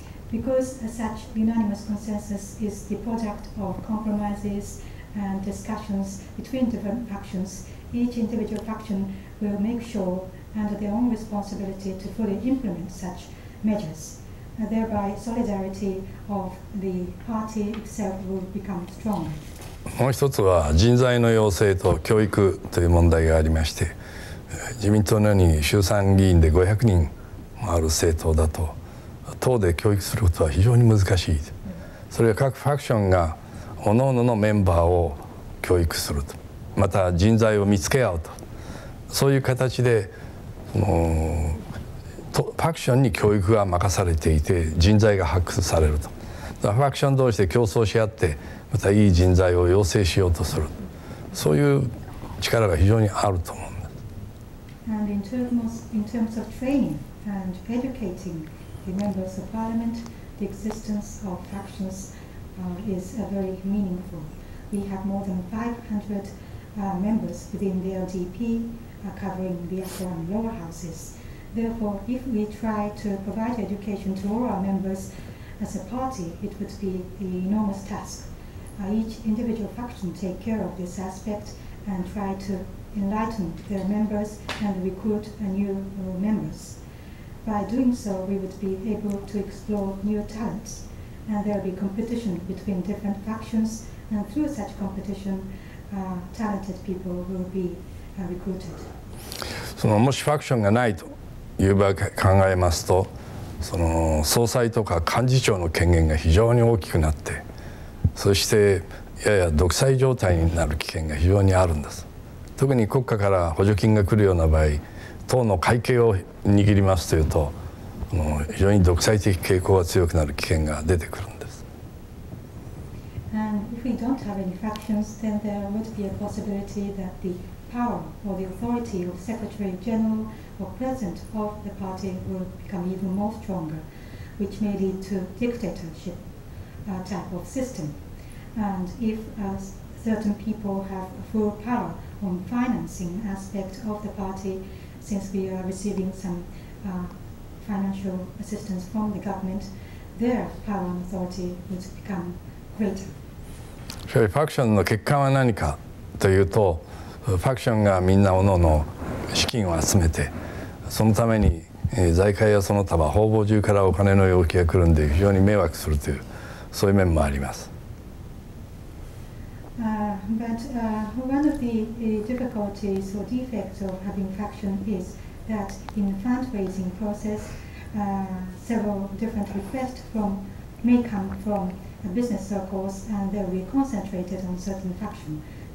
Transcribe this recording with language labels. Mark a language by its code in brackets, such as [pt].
[en] Because such unanimous consensus is the product of compromises and discussions between different factions, each individual faction will make sureunder their own responsibility to fully implement such measures. Thereby, solidarity of the party itself will become strong. [ja] もう一つは人材の養成と教育という問題がありまして、自民党のように衆参議院で500人もある政党だと、党で教育することは非常に難しい。それは各ファクションが各々のメンバーを教育すると、また人材を見つけ合うと、そういう形で、ファクションに教育が任されていて人材が発掘されると、ファクション同士で競争し合ってまたいい人材を養成しようとする、そういう力が非常にあると思うんです。 [en] And in terms of training and educating the members of parliament, the existence of factions is very meaningful. We have more than 500 members within the LDPcovering the upper and lower houses. Therefore, if we try to provide education to all our members as a party, it would be an enormous task. Each individual faction take care of this aspect and try to enlighten their members and recruit new members. By doing so, we would be able to explore new talents, and there will be competition between different factions, and through such competition, talented people will be recruited. [ja] そのもしファクションがないという場合考えますと、その総裁とか幹事長の権限が非常に大きくなって、そしてやや独裁状態になる危険が非常にあるんです。特に国家から補助金が来るような場合、党の会計を握りますというと、この非常に独裁的傾向が強くなる危険が出てくるんです。 [en] And if we don't have any factions, then there would be a possibility that the power or the authority of Secretary General or President of the party will become even more stronger, which may lead to dictatorship type of system. And if certain people have full power on financing aspect of the party, since we are receiving some financial assistance from the government, their power and authority would become greater. [ja] So, ファクションの欠陥は何かというと、ファクションがみんな各々資金を集めて、そのために財界やその他は方々中からお金の要求が来るんで非常に迷惑するという、そういう面もあります。 [en] One of the difficulties or defects of having faction is that in the fundraising process, several different requests may come from business circles and they will be concentrated on certain factions.